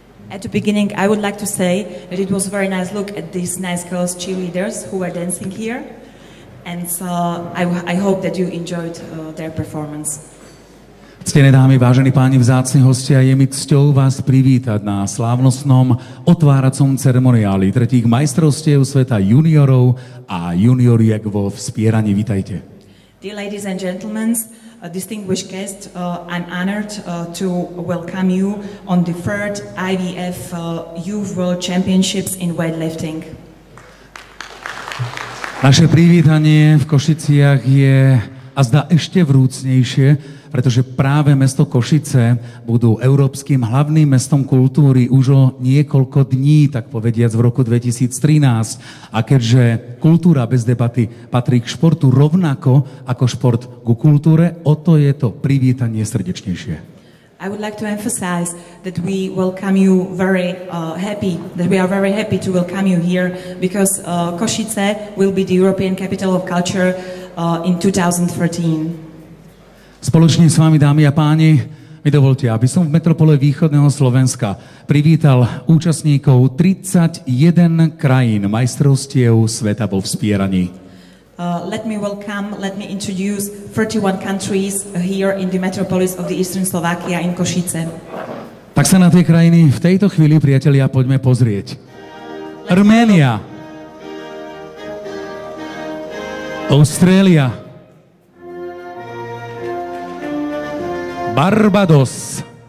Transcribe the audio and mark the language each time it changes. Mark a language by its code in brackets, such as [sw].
[en] At the beginning, I would like to say that it was a very nice look at these nice girls, cheerleaders, who are dancing here. And so I hope that you enjoyed their performance. [sk] Ctené dámy, vážení páni, vzácni hostia, je mi cťou vás privítať na slávnostnom otváracom ceremoniáli tretích majstrovstiev sveta juniorov a junioriek vo vzpieraní. Vítajte. [en] Dear ladies and gentlemen, distinguished guests, I'm honored to welcome you on the third IVF Youth World Championships in weightlifting. [sk] Naše privítanie v Košiciach je azda ešte vrúcnejšie, pretože práve mesto Košice budú európskym hlavným mestom kultúry už o niekoľko dní, tak povediac v roku 2013. A keďže kultúra bez debaty patrí k športu rovnako ako šport k kultúre, o to je to privítanie srdečnejšie. [en] I would like to emphasize that we welcome you very happy, that we are very happy to welcome you here, because Košice will be the European capital of culture in 2013. [sk] Spoločne s vami, dámy a páni, mi dovolte, aby som v metropole východného Slovenska privítal účastníkov 31 krajín majstrovstiev sveta vo vzpieraní. [en] Let me introduce 31 countries here in the metropolis of the Eastern Slovakia in Košice. [sk] Tak sa na tie krajiny v tejto chvíli, priatelia, poďme pozrieť. Arménia. Austrália. Barbados.